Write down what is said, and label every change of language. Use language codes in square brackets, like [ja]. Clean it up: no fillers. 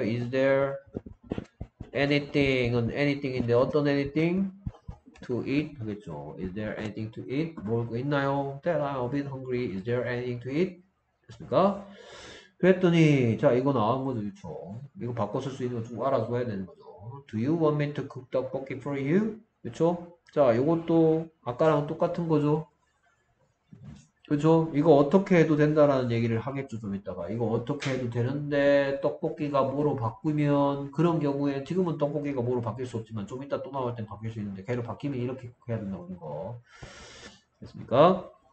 [ko] Is there anything은 anything인데 어떤 anything? [en] To eat [ko] 하겠죠. [en] Is there anything to eat? [ko] 먹을 거 있나요? [en] Dad, I'm a bit hungry. Is there anything to eat? [ko] 됐습니까? 그랬더니 자 이거 나온 거죠, 그렇죠? 이거 바꿔 쓸수 있는 거좀 알아둬야 되는 거죠. [en] Do you want me to cook 떡볶이 for you? [ko] 그렇죠? 자, 이것도 아까랑 똑같은 거죠. 그렇죠? 이거 어떻게 해도 된다라는 얘기를 하겠죠, 좀 이따가. 이거 어떻게 해도 되는데 떡볶이가 뭐로 바꾸면 그런 경우에 지금은 떡볶이가 뭐로 바뀔 수 없지만 좀 이따 또 나올 땐 바뀔 수 있는데 걔로 바뀌면 이렇게 해야 된다고 하는 거. 됐습니까?